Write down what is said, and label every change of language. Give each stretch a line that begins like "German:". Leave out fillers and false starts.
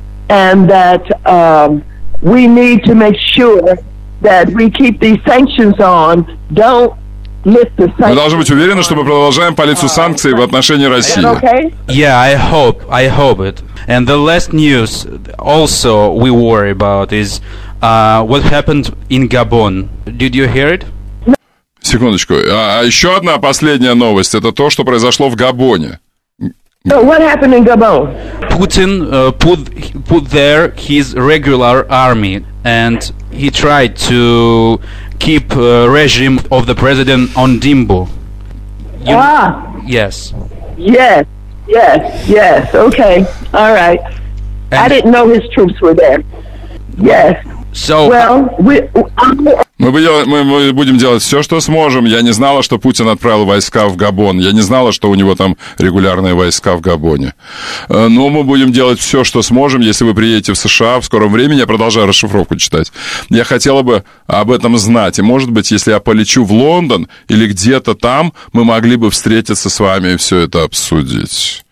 English: And that we need to make sure that we keep these sanctions on. Don't...
Russian: Мы должны быть уверены, что мы продолжаем политику санкций в отношении России.
English: Yeah, I hope it. And the last news also we worry about is what happened in Gabon. Did you hear it?
Russian: Секундочку. А еще одна последняя новость – это то, что произошло в Габоне.
English: So what happened in Gabon? Putin put there his regular army and he tried to keep regime of the president on Dimbo. Yes. Okay. All right. And I didn't know his troops were there. Yes. So. Well,
Russian: Мы будем делать все, что сможем. Я не знала, что Путин отправил войска в Габон. Я не знала, что у него там регулярные войска в Габоне. Но мы будем делать все, что сможем, если вы приедете в США в скором времени. Я продолжаю расшифровку читать. Я хотела бы об этом знать. И, может быть, если я полечу в Лондон или где-то там, мы могли бы встретиться с вами и все это обсудить.